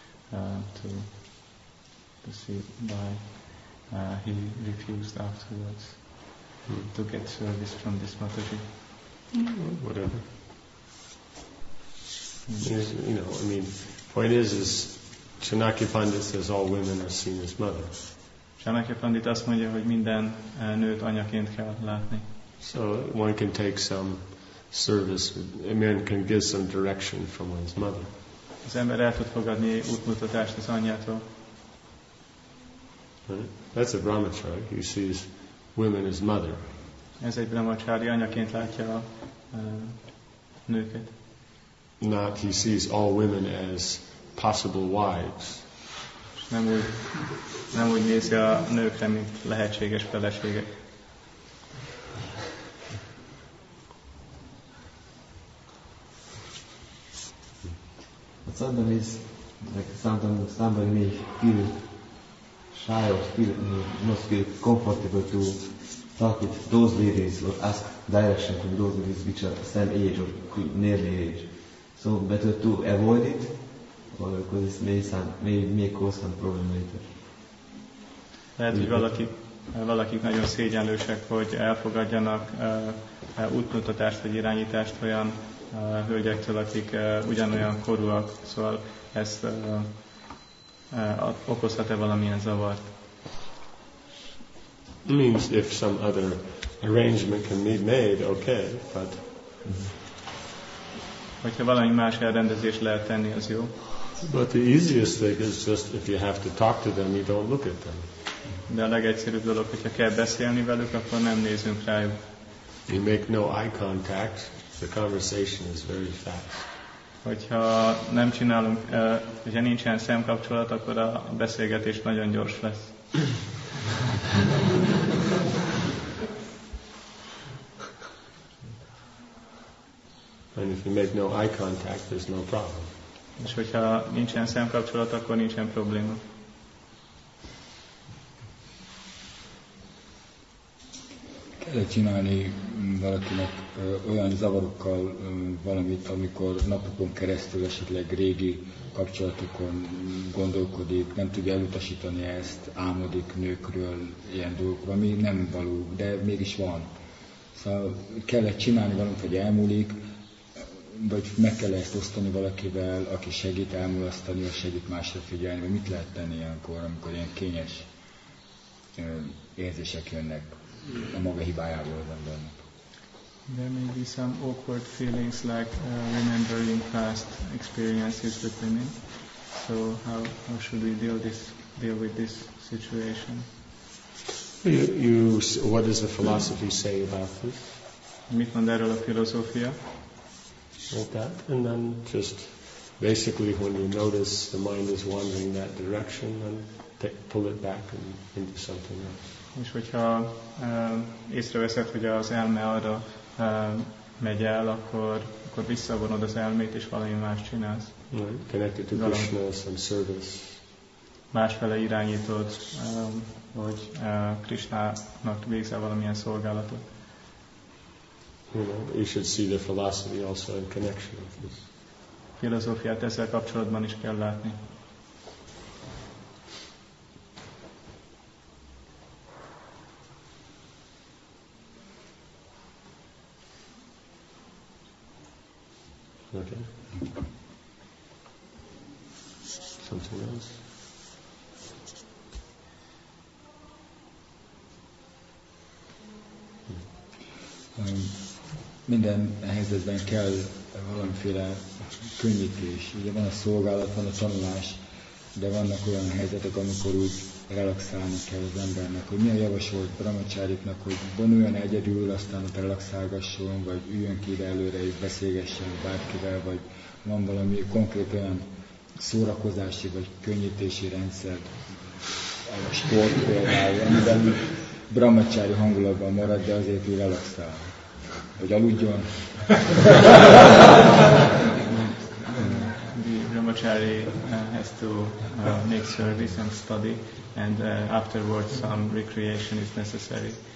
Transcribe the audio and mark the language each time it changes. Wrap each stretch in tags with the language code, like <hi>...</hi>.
<en>To see why he refused afterwards to get service from this Mataji. Mm-hmm. Whatever. Yes. You know, I mean, point is Chanakya Pandit says all women are seen as mothers.</en> <hu>Chanakya Pandit azt mondja, hogy minden nőt anyaként kell látni.</hu> <en>So one can take some service, a man can give some direction from one's mother.</en> <hu>Az ember el tud fogadni útmutatást az anyjától.</hu> <en>That's a brahmachari. He sees women as mother.</en> <hu>Ez egy brahmachari, anyaként látja a nőket.</hu> <en>Not he sees all women as possible wives.</en> <hu>Nem úgy nézi a nőkre, mint lehetséges feleségek.</hu> <en>Sometimes, like sometimes somebody may feel shy or feel not feel comfortable to talk with those ladies or ask direction from those ladies which are same age or nearly age. So better to avoid it, or because it may cause some problem later.</en> <hu>Lehet, hogy valakik nagyon szégyenlősek, hogy elfogadjanak útmutatást vagy irányítást olyan hölgyektől, akik ugyanolyan korúak, szóval ezt okozhat-e valamilyen zavart?</hu> <en>It means if some other arrangement can be made, okay, but...</en> <hu>Hogyha valami más elrendezést lehet tenni, az jó.</hu> <en>But the easiest thing is just if you have to talk to them, you don't look at them.</en> <hu>De a legegyszerűbb dolog, hogyha kell beszélni velük, akkor nem nézünk rájuk.</hu> <en>You make no eye contact. The conversation is very fast.</en> <hu>Hogyha nem csinálunk, hogyha nincsen szemkapcsolat, akkor a beszélgetés nagyon gyors lesz.</hu> <en>And if you make no eye contact, there's no problem.</en> <hu>És hogyha nincsen szemkapcsolat, akkor nincsen probléma. Kellett csinálni valakinek olyan zavarokkal valamit, amikor napokon keresztül esetleg régi kapcsolatokon gondolkodik, nem tudja elutasítani ezt, álmodik nőkről, ilyen dolgokról, ami nem való, de mégis van. Szóval kellett csinálni valamit, hogy elmúlik, vagy meg kell ezt osztani valakivel, aki segít elmulasztani, vagy segít másra figyelni, vagy mit lehet tenni ilyenkor, amikor ilyen kényes érzések jönnek.</hu> <en>There may be some awkward feelings like remembering past experiences with women. So how should we deal with this situation? You what does the philosophy say about this?</en> <hu>Mit mond erről a filozófia?</hu> <en>Like that, and then just basically when you notice the mind is wandering that direction, then pull it back and into something else.</en> <hu>És hogyha észreveszed, hogy az elme arra megy el, akkor akkor visszavonod az elmét és valami más csinálsz.</hu> <en>Connected to Krishna, some service.</en> <hu>Másfele irányítod, hogy Krishnának végzel valamilyen szolgálatot.</hu> <en>You know, you should see the philosophy also in connection with this.</en> <hu>Filozófiát ezzel kapcsolatban is kell látni.</hu> <en>Okay. Something else?</en> <hu>Minden helyzetben kell valamiféle könnyítés. Ugye van a szolgálat, van a tanulás, de vannak olyan helyzetek, amikor úgy relaxálni kell az embernek, hogy milyen javasolt brahmacáriknak, hogy vonuljon egyedül, aztán ott relaxálgasson, vagy üljön ki ide előre és beszélgessen bárkivel, vagy van valami konkrét olyan szórakozási vagy könnyítési rendszer, a sport például, amiben brahmacári hangulatban marad, de azért úgy relaxál. Hogy aludjon.</hu> <en>The brahmachari has to make service and study, and afterwards some recreation is necessary.</en>